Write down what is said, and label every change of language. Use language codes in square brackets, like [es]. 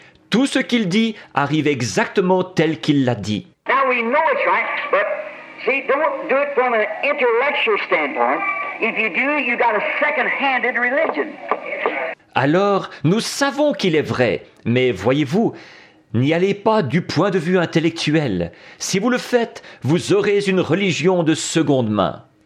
[fr] Tout ce qu'il dit arrive exactement tel qu'il l'a dit. [en] Now we know it's right, but see, don't do it from an intellectual standpoint. If you do, you got a second-handed religion. [fr] Alors, nous savons qu'il est vrai, mais voyez-vous, n'y allez pas du point de vue intellectuel. Si vous le faites, vous aurez une religion de seconde main.